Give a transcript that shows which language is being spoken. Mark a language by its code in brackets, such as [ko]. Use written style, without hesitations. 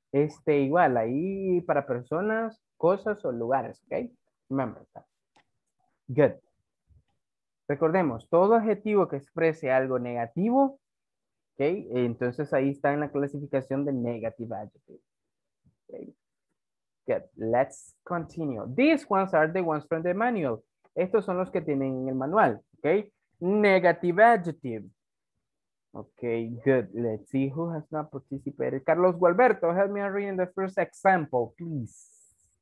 [es] Este, igual, ahí para personas, cosas o lugares, ¿ok? [en] Remember that. Good. [es] Recordemos, todo adjetivo que exprese algo negativo, ¿ok? Entonces ahí está en la clasificación de negative adjective. [en] Okay. Good. Let's continue. These ones are the ones from the manual. [es] Estos son los que tienen en el manual, ¿ok? [en] Negative adjective. Okay, good. Let's see who has not participated. Carlos Gualberto, help me read the first example, please.